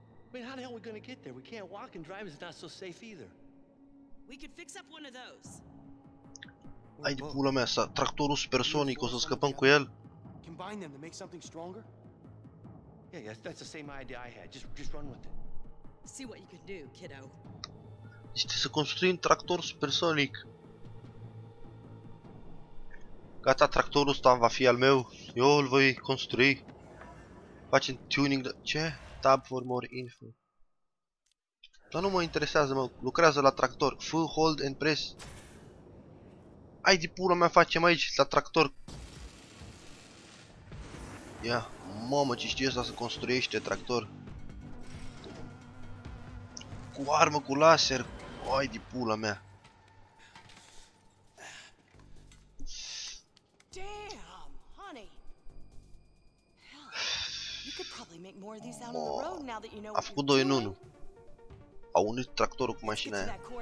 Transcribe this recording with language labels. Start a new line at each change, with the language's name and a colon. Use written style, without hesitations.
English: I mean, how the hell are we gonna get there? We can't walk and drive, it's not so safe either. We could fix up one of those.
Romanian: Hai de pula mea asta, tractorul supersonic, o să scăpăm cu el?
English: Combine them to make something stronger? Yeah, yeah, that's the same idea I had. Just run with it. See what you can do, kiddo.
Romanian: Este să construim tractor supersonic. Gata, tractorul ăsta va fi al meu. Eu îl voi construi. Facem tuning de... Ce?
English: Tab for more info.
Romanian: Dar nu mă interesează, mă. Lucrează la tractor.
English: F, hold and press.
Romanian: Hai de pula mea, facem aici, la tractor. Ia. Yeah. Mamă, ce știu ăsta să construiește tractor? Cu armă, cu laser. Ai de pula mea.
English: Damn, honey. You could probably make more of these out on the road now that you know.
Romanian: A făcut 2 în 1. A unit tractorul cu mașina aia.